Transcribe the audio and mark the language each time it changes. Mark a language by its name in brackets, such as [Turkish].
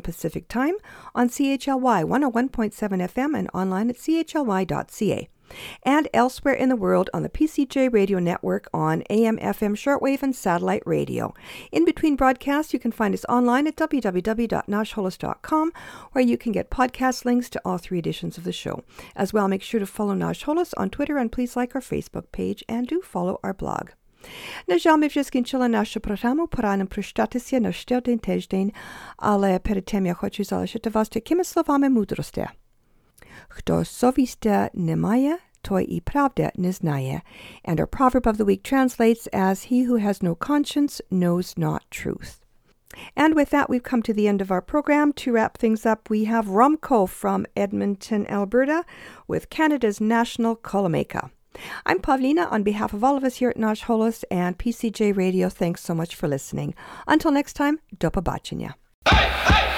[English] Pacific Time on CHLY 101.7 FM and online at chly.ca, and elsewhere in the world on the PCJ Radio Network on AM, FM, shortwave, and satellite radio. In between broadcasts, you can find us online at www.nashholos.com, where you can get podcast links to all three editions of the show. As well, make sure to follow Nash Holos on Twitter and please like our Facebook page and do follow our blog. [Ukrainian] Нажал ми вже скінчили нашу програму. Пора нам прощатися на ще один тиждень, але перед тим я хочу залишити вас такими словами мудрості. Хто совісті не має, той і правди не знає. [English] And our proverb of the week translates as, he who has no conscience knows not truth. And with that, we've come to the end of our program. To wrap things up, we have Romko from Edmonton, Alberta, with Canada's National Kolomeka. I'm Pavlina, on behalf of all of us here at Nash Holos and PCJ Radio, thanks so much for listening. Until next time, [Ukrainian] до побачення. [English] Hey, hey!